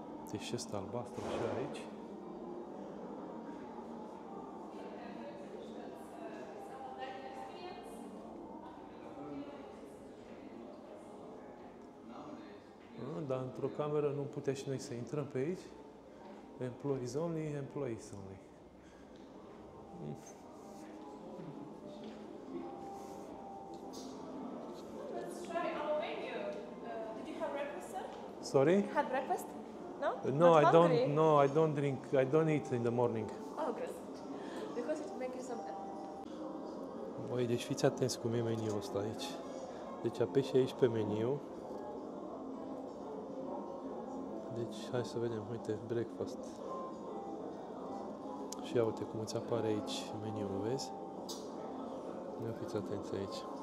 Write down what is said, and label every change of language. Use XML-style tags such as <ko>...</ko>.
<ro>Deci ăsta albastru și aici. Dar într-o cameră nu putea și noi să intrăm pe aici.</ro> <en>Employees only, employees only. Sorry? You had breakfast? No? No, not I hungry. Don't. No, I don't drink. I don't eat in the morning. Oh, good. Because it makes you some.</en> <ro>Băi, deci fiți atenți cum e meniul ăsta aici. Deci apeși aici pe meniu. Deci, hai să vedem. Uite, breakfast. Și ia uite cum îți apare aici meniul, vezi? Ia fiți atenți aici.</ro>